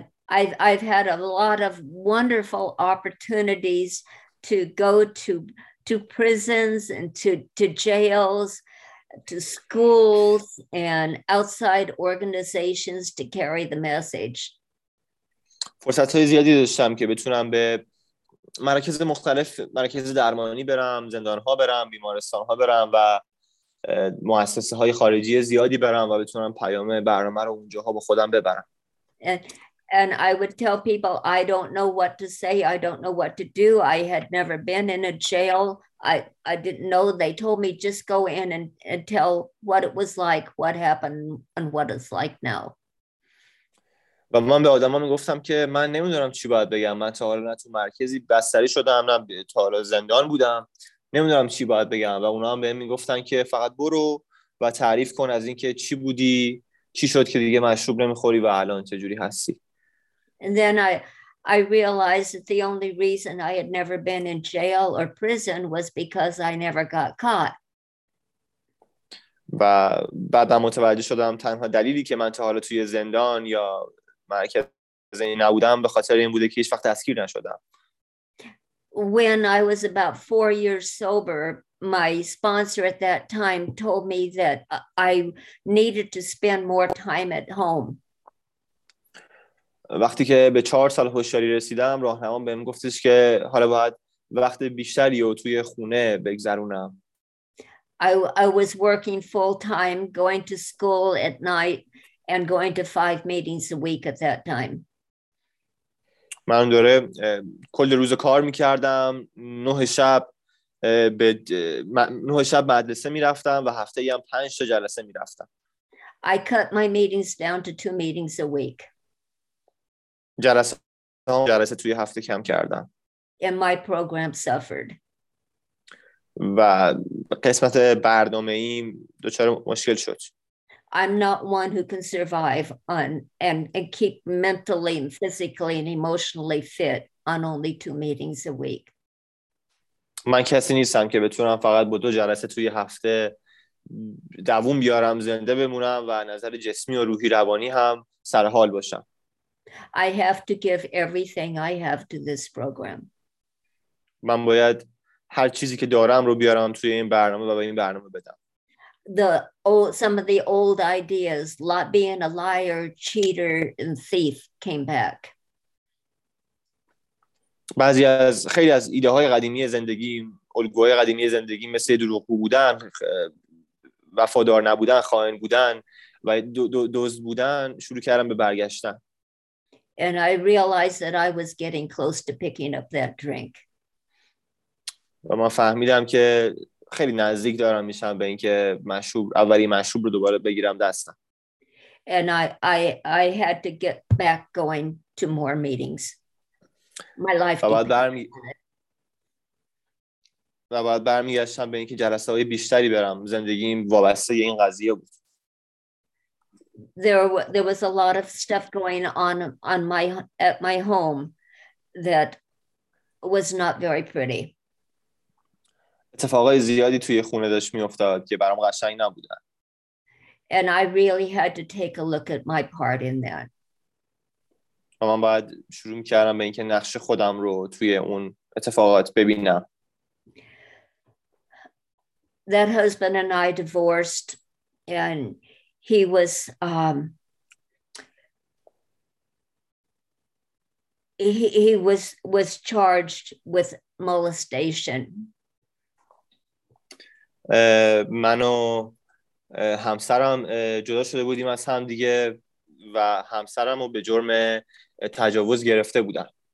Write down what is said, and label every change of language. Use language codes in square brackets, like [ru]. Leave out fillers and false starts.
[en] I've had a lot of wonderful opportunities to go to prisons and to jails, to schools and outside organizations to carry the message. [fa] فرصت‌های زیادی داشتم که بتونم به مراکز مختلف، مراکز درمانی برم، زندان‌ها برم، بیمارستان‌ها برم و مؤسسه‌های خارجی زیادی برم و بتونم پیام برنامه رو اونجاها با خودم ببرم. [en] And I would tell people I don't know what to say, I don't know what to do. I had never been in a jail. I didn't know. They told me just go in and tell what it was like, what happened and what it's like now. [fa] و من به آدم ها میگفتم که من نمیدونم چی باید بگم. من تا حالا نه تو مرکزی بستری شدم، نه تا حالا زندان بودم، نمیدونم چی باید بگم. و اونا هم به میگفتن که فقط برو و تعریف کن از اینکه چی بودی، چی شد که دیگه مشروب نمیخوری و الان چجوری هستی. [en] And then I realized that the only reason I had never been in jail or prison was because I never got caught. [fa] و بعدم متوجه شدم تنها دلیلی که من تا حالا توی زندان یا مرکز نبودم به خاطر این بوده که هیچ وقت دستگیر نشدم. [en] When I was about 4 years sober, my sponsor at that time told me that I needed to spend more time at home. [fa] وقتی که به 4 سال هوشیاری رسیدم، راهنمام بهم گفتش که حالا باید وقت بیشتری رو توی خونه بگذرونم. [en] I was working full time, going to school at night and going to 5 meetings a week at that time. [fa] من دوره کل روز کار می‌کردم، 9 شب به 9 شب مدرسه می‌رفتم و هفته ای هم 5 تا جلسه می‌رفتم. [en] I cut my meetings down to 2 meetings a week. [fa] جلسه امتحان جلسه توی هفته کم کردم. [en] And my program suffered. [fa] و قسمت برنامه ایم دوچار مشکل شد. [en] I'm not one who can survive on and keep mentally and physically and emotionally fit on only two meetings a week. [fa] من کسی نیستم که بتونم فقط با دو جلسه توی هفته دووم بیارم، زنده بمونم و نظر جسمی و روحی روانی هم سر حال باشم. [en] I have to give everything I have to this program. [fa] من باید هر چیزی که دارم رو بیارم توی این برنامه و به این برنامه بدم. [en] Some of the old ideas, like being a liar, cheater and thief came back. [fa] بعضی از خیلی از ایده های قدیمی زندگی، الگوهای قدیمی زندگی مثل دروغگو بودن، وفادار نبودن، خائن بودن و دزد بودن شروع کردم به برگشتن. [en] And I realized that I was getting close to picking up that drink. [fa] و من فهمیدم که خیلی نزدیک دارم میشم به اینکه مشروب، اولی مشروب رو دوباره بگیرم دستم. [en] And I had to get back going to more meetings. My life [fa] بعد برمیگشتم به اینکه جلسه های بیشتری برم. زندگیم وابسته این قضیه بود. [en] There was a lot of stuff going on at my home that was not very pretty. [fa] اتفاقای زیادی توی خونه داشت میافتاد که برام قشنگ نبودن. [en] And I really had to take a look at my part in that. [fa] و من باید شروع میکردم به اینکه نقش خودم رو توی اون اتفاقات ببینم. [en] That husband and I divorced and he was he was charged with molestation. [fa] منو همسرم جدا شده بودیم از هم دیگه و همسرمو به جرم تجاوز گرفته بودن.